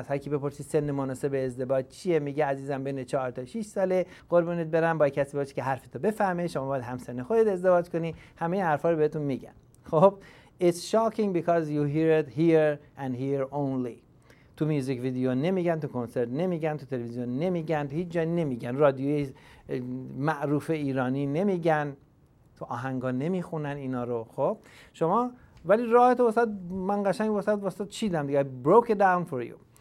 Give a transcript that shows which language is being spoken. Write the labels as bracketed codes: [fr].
[fa] از هر کی بپرسی سن مناسب ازدواج چیه میگه عزیزم بین 4 تا 6 ساله، قربونت برم با کسی باشی که حرفتو بفهمه، شما باید همسن خودت ازدواج کنی، همه این حرفا رو بهتون میگن. [en] خب It's shocking because you hear it here and here only. [fa] تو میوزیک ویدیو نمیگن، تو کنسرت نمیگن، تو تلویزیون نمیگن، هیچ جا نمیگن، رادیوی معروف ایرانی نمیگن، تو آهنگا نمیخونن اینا رو. خب شما ولی راحت وسط من قشنگ وسط چیدم دیگه، [en] broke it down for you.